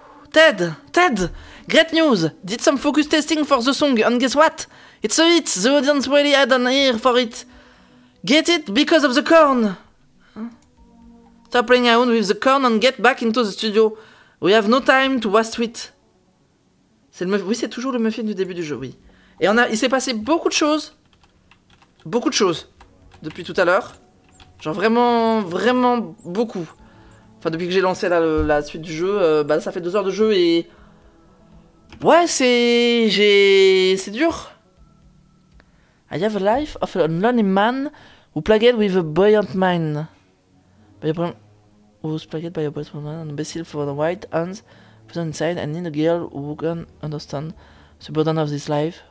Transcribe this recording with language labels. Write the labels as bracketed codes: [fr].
[en] Ted, great news! Did some focus testing for the song, and guess what? It's a hit! The audience really had an ear for it! Get it because of the corn! Stop playing around with the corn and get back into the studio. We have no time to waste it. [fr] Oui, c'est toujours le muffin du début du jeu, oui. Et il s'est passé beaucoup de choses, depuis tout à l'heure. Genre vraiment, vraiment beaucoup. Enfin, depuis que j'ai lancé la suite du jeu, ça fait 2 heures de jeu et... Ouais, c'est dur. [en] I have a life of a lonely man who plagued with a buoyant mind. Who was plagued by a buoyant mind and a vessel for the white hands put on inside and need a girl who can understand the burden of this life.